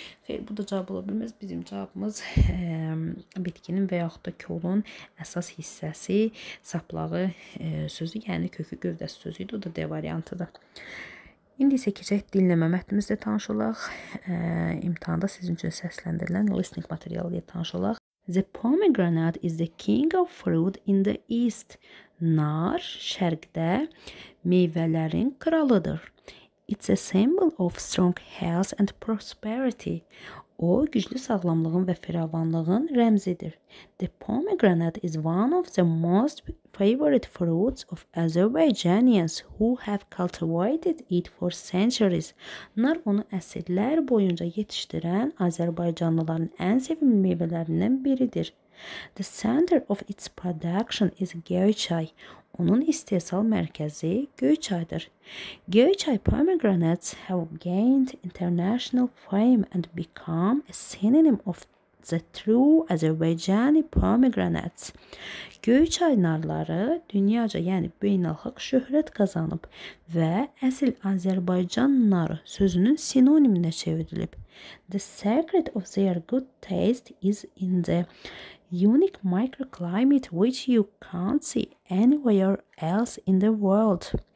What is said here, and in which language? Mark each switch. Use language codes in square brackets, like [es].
[az] Xeyr, bu da cavab ola bilməz. Bizim cavabımız bitkinin və yaxud da kolun əsas hissəsi, saplağı sözü, yəni kökü, gövdəsi sözü idi. O da D variantıdır. İndi isə keçək dinləmə mətnimizdə tanış olaq. İmtahanda sizin üçün səsləndirilən listening materialı ilə tanış olaq. [en] The pomegranate is the king of fruit in the east. [az] Nar şərqdə meyvələrin kralıdır. [en] It's a symbol of strong health and prosperity. [az] O, güclü sağlamlığın və firavanlığın rəmzidir. [en] The pomegranate is one of the most favorite fruits of Azerbaijanians who have cultivated it for centuries. [az] Nar onu əsrlər boyunca yetişdirən Azərbaycanlıların ən sevimli meyvələrindən biridir. [en] The center of its production is Göyçay. [az] Onun istehsal mərkəzi Göyçaydır. [en] Göyçay pomegranates have gained international fame and become a synonym of the true Azerbaijani pomegranates. [az] Göyçay narları dünyaca, yəni beynəlxalq şöhrət qazanıb və əsl Azərbaycan narı sözünün sinonimində çevrilib. [en] The secret of their good taste is in the unique microclimate which you can't see anywhere else in the world.